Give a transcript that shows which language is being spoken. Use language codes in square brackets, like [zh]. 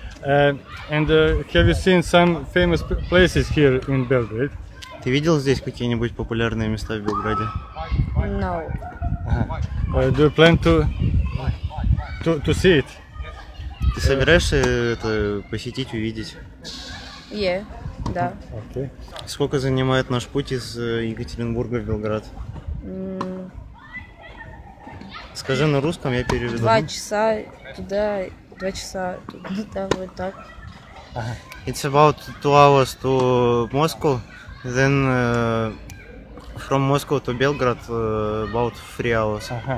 [en] Have you seen some famous places here in Belgrade? [ru] Ты видел здесь какие-нибудь популярные места в Белграде? [en] No. Do you plan to see it? [ru] Ты собираешься это посетить, увидеть? [en] Yeah, да. [ru] Окей. [en] Okay. [ru] Сколько занимает наш путь из Екатеринбурга в Белград? Скажи на русском, я переведу. Два часа туда. 2 часа туда, вот так. [en] It's about 2 hours to Moscow, then from Moscow to Belgrade about 3 hours.